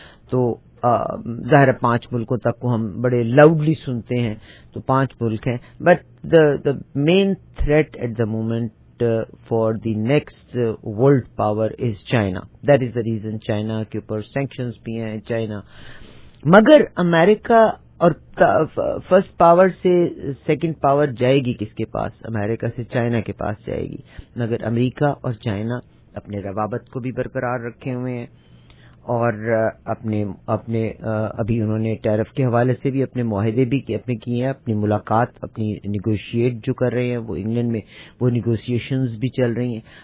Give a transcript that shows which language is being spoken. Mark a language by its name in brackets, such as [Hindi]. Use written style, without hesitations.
[Urdu] تو ظاہر ہے پانچ ملکوں تک کو ہم بڑے لاؤڈلی سنتے ہیں، تو پانچ ملک ہیں. [English] But the main threat at the moment for the next world power is China. That is the reason [Urdu] China کے اوپر سینکشنز بھی ہیں چائنا. مگر امریکہ اور فرسٹ پاور سے سیکنڈ پاور جائے گی کس کے پاس؟ امریکہ سے چائنا کے پاس جائے گی. مگر امریکہ اور چائنا اپنے روابط کو بھی برقرار رکھے ہوئے ہیں اور اپنے ابھی انہوں نے ٹیرف کے حوالے سے بھی اپنے معاہدے بھی اپنے کیے ہیں، اپنی ملاقات، اپنی نیگوشیٹ جو کر رہے ہیں وہ انگلینڈ میں، وہ نیگوشیشنز بھی چل رہی ہیں.